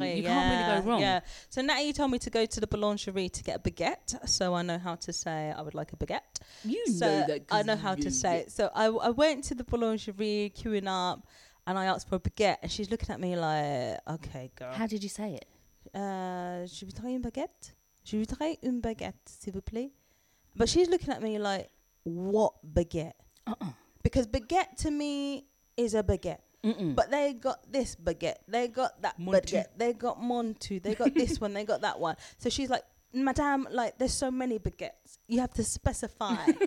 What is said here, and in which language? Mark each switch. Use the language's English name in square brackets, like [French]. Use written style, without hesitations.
[English] Yeah. So Natty told me to go to the boulangerie to get a baguette. So I know how to say I would like a baguette. So I went to the boulangerie queuing up and I asked for a baguette. And she's looking at me like, okay, girl. How did you say it? [French] Je voudrais une baguette. Je voudrais une baguette, s'il vous plaît. [English] But she's looking at me like, what baguette? Uh-uh. Because baguette to me is a baguette. Mm-mm. But they got this baguette, they got that baguette, they got Montu, they got this one, they got that one. So she's like, madame, like, there's so many baguettes, you have to specify.